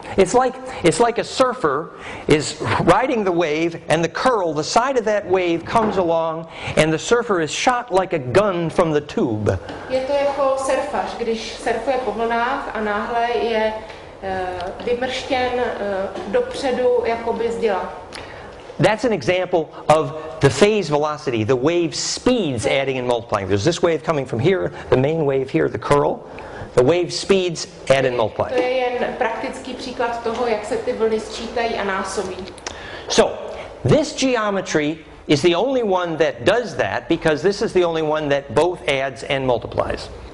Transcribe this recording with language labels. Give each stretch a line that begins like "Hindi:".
English: It's like a surfer is riding the wave and the curl, the side of that wave comes along and the surfer is shot like a gun from the tube.
Czech: Je to jako surfař, když surfuje po vlnách a náhle je vymrštěn dopředu jakoby z děla.
English: That's an example of the phase velocity, the wave speeds adding and multiplying. There's this wave coming from here, the main wave here, the curl. The wave speeds add and multiply.
Czech: To je jen praktický příklad toho, jak se ty vlny sčítají a násobí.
English: So, this geometry is the only one that does that because this is the only one that both adds and multiplies.